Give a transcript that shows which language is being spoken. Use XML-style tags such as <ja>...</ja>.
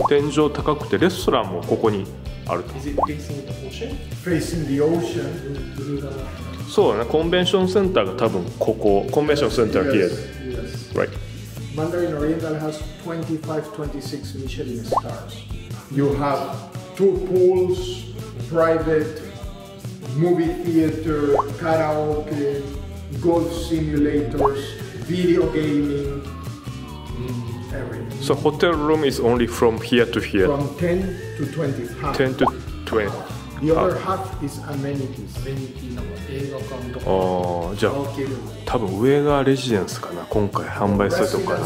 <ja>天井高くてレストランもここにあると。</ja> <en>Is it facing the ocean? Facing the ocean.</en> <ja>そうだね。コンベンションセンターが多分ここ。コンベンションセンター here.</ja> <en>Yes, yes. Right. Mandarin Oriental has 25-26 Michelin stars. You have two pools, private. Movie theater, karaoke, golf simulators, video gaming, everything. So hotel room is only from here to here? From 10 to 20, half. 10 to 20. The other half is amenities. Amenities, like karaoke room.</en> <ja>Oh, じゃあ、多分上がレジデンスかな、今回販売するとかな。</ja>